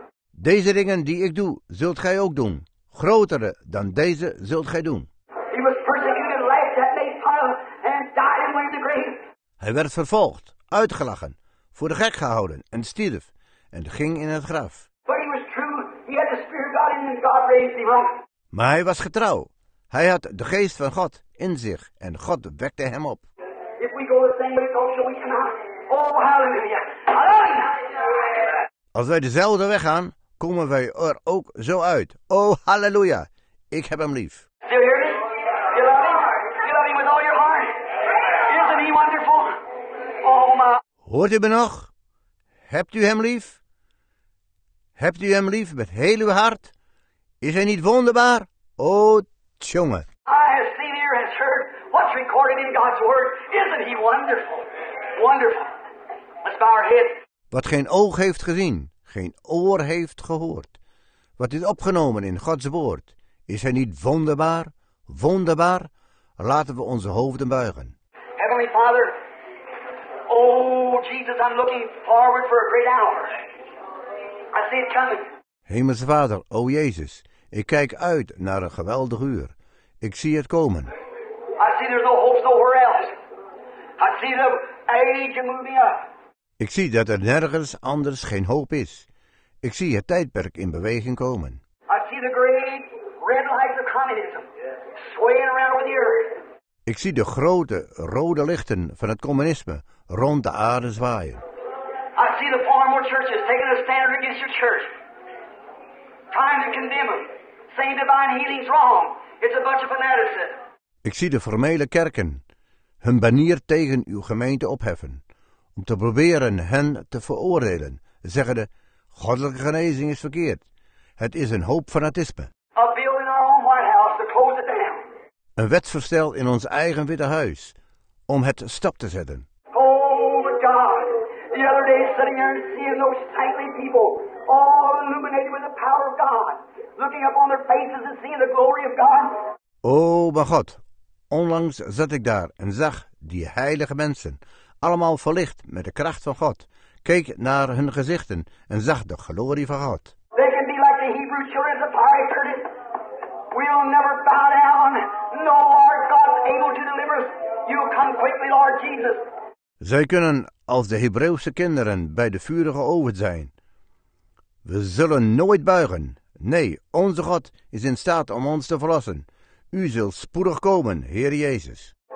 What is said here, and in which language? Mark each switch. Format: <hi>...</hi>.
<nl>Deze dingen die ik doe, zult gij ook doen, Grotere dan deze zult gij doen.</nl> <en>He was persecuted, laughed at, made fun of, and died and went to the grave.</en> <nl>Hij werd vervolgd, uitgelachen, voor de gek gehouden en stierf en ging in het graf.</nl> <en>But he was true. He had the Spirit of God in him. God raised him up.</en> <nl>Maar hij was getrouw. Hij had de geest van God in zich en God wekte hem op.</nl> <en>If we go the same way, also we cannot. Oh, hallelujah. Hallelujah.</en> <nl>Als wij dezelfde weg gaan, komen wij er ook zo uit. Oh, halleluja. Ik heb hem lief.</nl> <en>Do you hear me? You love him? You love him with all your heart? Isn't he wonderful? Oh, my.</en> <nl>Hoort u me nog? Hebt u hem lief? Hebt u hem lief met heel uw hart? Is hij niet wonderbaar? Oh, tjonge.</nl> <en>I have seen, ear has heard what's recorded in God's word. Isn't he wonderful? Wonderful. Let's bow our heads.</en> <nl>Wat geen oog heeft gezien, geen oor heeft gehoord. Wat is opgenomen in Gods woord. Is hij niet wonderbaar? Wonderbaar? Laten we onze hoofden buigen.</nl> <en>Heavenly Father, oh Jesus, I'm looking forward for a great hour. I see it coming.</en> <nl>Hemelse Vader, o Jezus, ik kijk uit naar een geweldig uur. Ik zie het komen.</nl> <en>I see there's no hope nowhere else. I see the age moving up.</en> <nl>Ik zie dat er nergens anders geen hoop is. Ik zie het tijdperk in beweging komen.</nl> <en>I see the great red lights of communism swaying around over the earth.</en> <nl>Ik zie de grote rode lichten van het communisme rond de aarde zwaaien.</nl> <en>I see the former churches taking a stand against your church. Trying to condemn them. Saying divine healing's wrong. It's a bunch of fanaticism.</en> <nl>Ik zie de formele kerken hun banier tegen uw gemeente opheffen. Om te proberen hen te veroordelen, zeggen de goddelijke genezing is verkeerd. Het is een hoop fanatisme.</nl> <en>A bill in our own White House to close it down.</en> <nl>Een wetsvoorstel in ons eigen Witte Huis om het stop te zetten.</nl> <en>Oh God, the other day sitting there and seeing those saintly people all illuminated with the power of God, looking up on their faces and seeing the glory of God.</en> <nl>Oh mijn God, onlangs zat ik daar en zag die heilige mensen. Allemaal verlicht met de kracht van God, keek naar hun gezichten en zag de glorie van God.</nl> <en>They can be like the Hebrew children of the fiery furnace. We'll never bow down. No, our God's able to deliver us. You'll come quickly, Lord Jesus.</en> <nl>Zij kunnen als de Hebreeuwse kinderen bij de vurige oven zijn. We zullen nooit buigen. Nee, onze God is in staat om ons te verlossen. U zult spoedig komen, Heer Jezus.</nl>